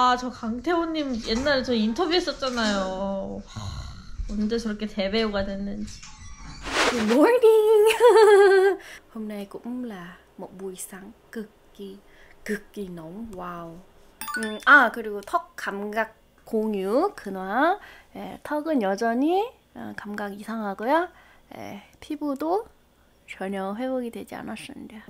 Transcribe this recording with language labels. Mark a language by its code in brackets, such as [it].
[ko] 강태호님 옛날에 저 인터뷰했었잖아요. 언제 저렇게 대배우가 됐는지. [en] Good morning. [vi] Hôm nay cũng là một buổi sáng cực kỳ nóng. Wow. [ko] 아 그리고 턱 감각 공유 근화. 예, 턱은 여전히 감각 이상하고요. 예, 피부도 전혀 회복이 되지 않았습니다.